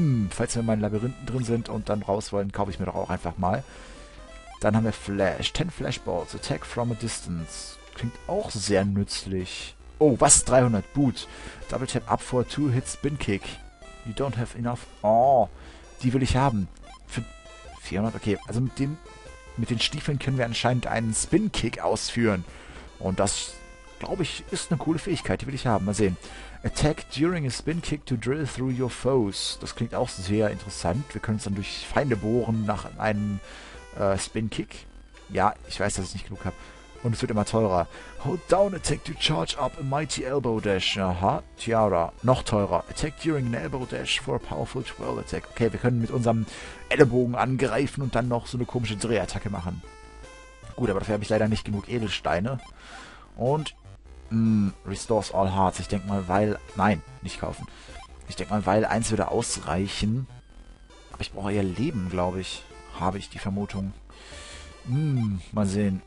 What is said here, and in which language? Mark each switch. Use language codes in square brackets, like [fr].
[de] Falls wir in meinen Labyrinthen drin sind und dann raus wollen, kaufe ich mir doch auch einfach mal. Dann haben wir Flash. 10 Flashballs. [en] Attack from a distance. [de] Klingt auch sehr nützlich. Oh, was? 300. Boot. [en] Double tap up for 2 hits spin kick. You don't have enough. [de] Oh, die will ich haben. Für 400. Okay, also mit dem... Mit den Stiefeln können wir anscheinend einen Spin-Kick ausführen. Und das, glaube ich, ist eine coole Fähigkeit. Die will ich haben. Mal sehen. [en] Attack during a Spin-Kick to drill through your foes. [de] Das klingt auch sehr interessant. Wir können uns dann durch Feinde bohren nach einem Spin-Kick. Ja, ich weiß, dass ich nicht genug habe. Und es wird immer teurer. [en] Hold down attack to charge up a mighty elbow dash. Aha, Tiara. [de] Noch teurer. [en] Attack during an elbow dash for a powerful twirl attack. [de] Okay, wir können mit unserem Ellenbogen angreifen und dann noch so eine komische Drehattacke machen. Gut, aber dafür habe ich leider nicht genug Edelsteine. Und, [en] restores all hearts. [de] Ich denke mal, weil... Nein, nicht kaufen. Ich denke mal, weil eins würde ausreichen. Aber ich brauche eher Leben, glaube ich. Habe ich die Vermutung. Mal sehen.